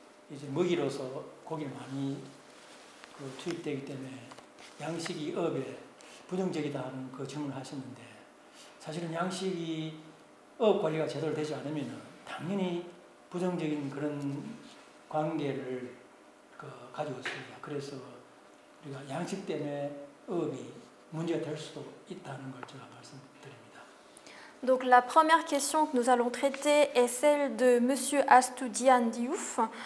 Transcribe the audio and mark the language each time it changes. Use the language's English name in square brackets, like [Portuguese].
[French] Il a élevé des poissons, mais il a beaucoup de poissons. [Korean] 양식이 업에 부정적이다 하는 그 질문을 하셨는데 사실은 양식이 업 관리가 제대로 되지 않으면 당연히 부정적인 그런 관계를 그 가지고 있습니다. 그래서 우리가 양식 때문에 업이 문제가 될 수도 있다는 걸 제가 말씀드립니다. [French] Donc la première question que nous allons traiter est celle de monsieur Astudian Diouf.